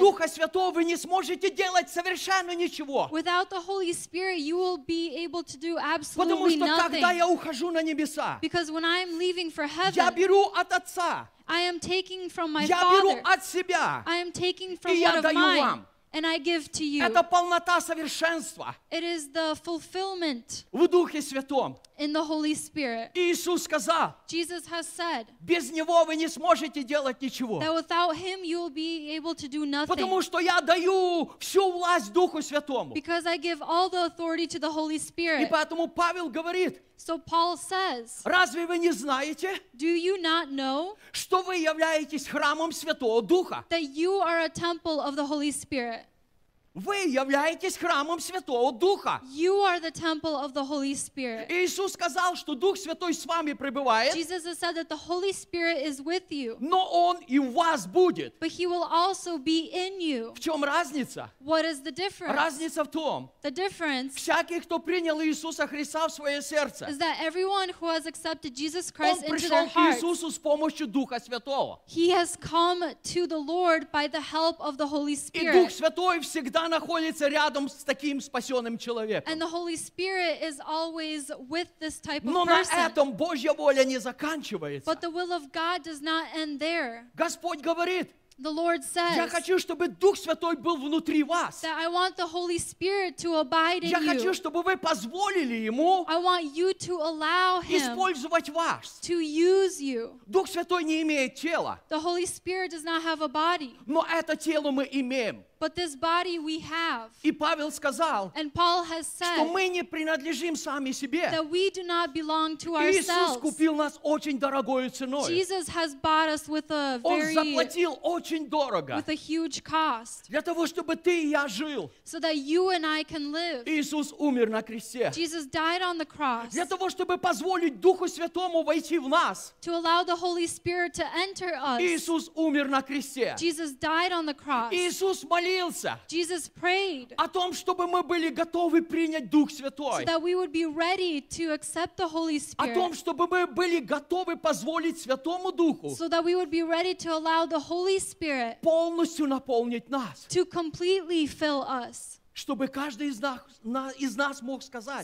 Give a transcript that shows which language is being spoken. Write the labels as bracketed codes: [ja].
[ru] Духа Святого вы не сможете делать совершенно ничего. [en] Without the Holy Spirit, you will be able to do absolutely nothing. [ru] Потому что [en] nothing. [ru] Когда я ухожу на небеса, [en] because when I am leaving for heaven, [ru] я беру от Отца. [en] I am taking from my [ru] я [en] Father. [ru] Себя, [en] I am taking from what of mine. [ru] Вам, [en] And I give to you. [ru] Это полнота совершенства. [en] It is the fulfillment. [ru] В Духе Святом. [en] In the Holy Spirit. [ru] Иисус сказал. [en] Jesus has said. [ru] Без него вы не сможете делать ничего. [en] That without him you will be able to do nothing. [ru] Потому что я даю всю власть Духу Святому. [en] Because I give all the authority to the Holy Spirit. [ru] И поэтому Павел говорит. [en] So Paul says. [ru] Разве вы не знаете? [en] Do you not know? [ru] Что вы являетесь храмом Святого Духа? [en] That you are a temple of the Holy Spirit. [ru] Вы являетесь храмом Святого Духа. [en] You are the temple of the Holy Spirit. [ru] Иисус сказал, что Дух Святой с вами пребывает. [en] Jesus has said that the Holy Spirit is with you. [ru] Но Он и в вас будет. [en] But He will also be in you. [ru] В чем разница? [en] What is the difference? [ru] Разница в том, [en] the difference [ru] всякий, кто принял Иисуса Христа в свое сердце, [en] is that everyone who has accepted Jesus Christ into their hearts, [ru] он пришел к Иисусу с помощью Духа Святого. [en] He has come to the Lord by the help of the Holy Spirit. [ru] И Дух Святой всегда находится рядом с таким спасенным человеком. [en] And the Holy Spirit is always with this type of [ru] Но [en] person. [ru] На этом Божья воля не заканчивается. [en] But the will of God does not end there. [ru] Господь говорит, [en] the Lord says, [ru] я хочу, чтобы Дух Святой был внутри вас. [en] That I want the Holy Spirit to abide in [ru] я хочу, чтобы вы позволили Ему [en] I want you to allow him [ru] использовать вас. [en] To use you. [ru] Дух Святой не имеет тела. [en] The Holy Spirit does not have a body. [ru] Но это тело мы имеем. [en] But this body we have. [ru] И Павел сказал, [en] and Paul has said, [ru] что мы не принадлежим сами себе. [en] That we do not belong to ourselves. [ru] Иисус купил нас очень дорогою ценой. [en] Jesus has bought us with a very, [ru] Он заплатил очень дорого. [en] With a huge cost. [ru] Для того, чтобы ты и я жил. [en] So that you and I can live. [ru] Иисус умер на кресте. [en] Jesus died on the cross. [ru] Для того, чтобы позволить Духу Святому войти в нас. [en] To allow the Holy Spirit to enter us. [ru] Иисус умер на кресте. [en] Jesus died on the cross. [ru] Иисус [en] Jesus prayed [ru] о том, чтобы мы были готовы принять Дух Святой. [en] So that we would be ready to accept the Holy Spirit. [ru] О том, чтобы мы были готовы позволить Святому Духу. [en] So that we would be ready to allow the Holy Spirit [ru] полностью наполнить нас. [en] To completely fill us. [ru] Чтобы каждый из нас мог сказать.